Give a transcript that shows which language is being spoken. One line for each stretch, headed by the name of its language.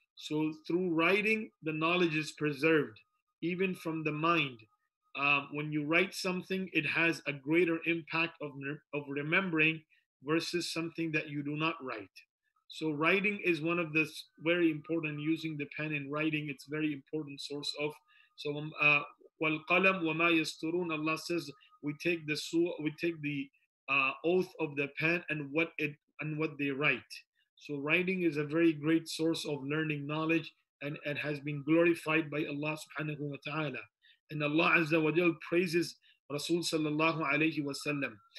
English: So through writing, the knowledge is preserved, even from the mind. When you write something, it has a greater impact of remembering versus something that you do not write. So writing is one of the very important, using the pen in writing, it's very important source of.
Arabic: So وَالْقَلَمْ وَمَا يَسْتُرُونَ.
English: Allah says, we take the oath of the pen and what they write. So writing is a very great source of learning knowledge, and it has been glorified by Allah subhanahu wa ta'ala. And Allah Azza wa Jal praises Rasul sallallahu alayhi wa sallam.